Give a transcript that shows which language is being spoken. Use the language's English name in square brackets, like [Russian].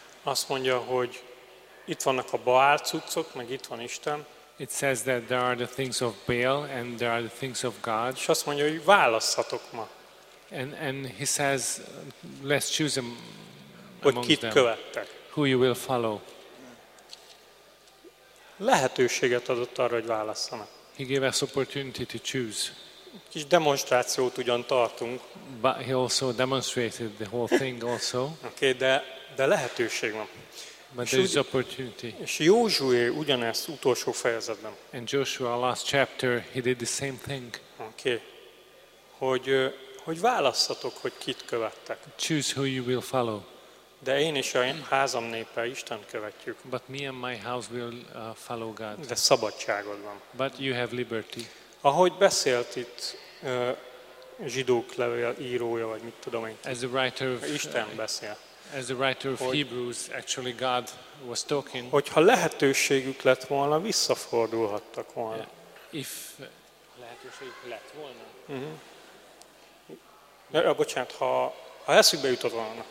[Hungarian] azt mondja, hogy itt vannak a Baál cuccok, meg itt van Isten. [English] It says that there are the things of Baal and there are the things of God. [Hungarian] És azt mondja, hogy választhatok ma. [English] And he says, let's choose them [Hungarian] hogy [English] amongst [Hungarian] kit követtek. [English] Who you will follow. [Hungarian] Lehetőséget adott arra, hogy válasszanak. [English] He gave us opportunity to choose. [Hungarian] Kis demonstrációt ugyan tartunk. [English] But he also demonstrated the whole thing also. [Hungarian] Okay, de lehetőség van. [English] But there is opportunity. [Hungarian] És Józsué ugyanezt utolsó fejezetben. [English] And Joshua last chapter he did the same thing. Okay. [Hungarian] Hogy választhatok, hogy kit követtek. [English] Choose who you will follow. [Hungarian] De én és a házam népe Istent követjük. [English] But me and my house will follow God. [Hungarian] De szabadságod van. [English] But you have liberty. [Hungarian] Ahogy beszélt itt zsidók levél írója, vagy mit tudom én. [English] As the writer of [Hungarian] Isten beszél. [English] As the writer of Hebrews, actually God was talking. [Hungarian] Hogyha lehetőségük lett volna, visszafordulhattak volna. If lehetőségük lett volna. Uh-huh. Ja, bocsánat, ha eszükbe jutott volna.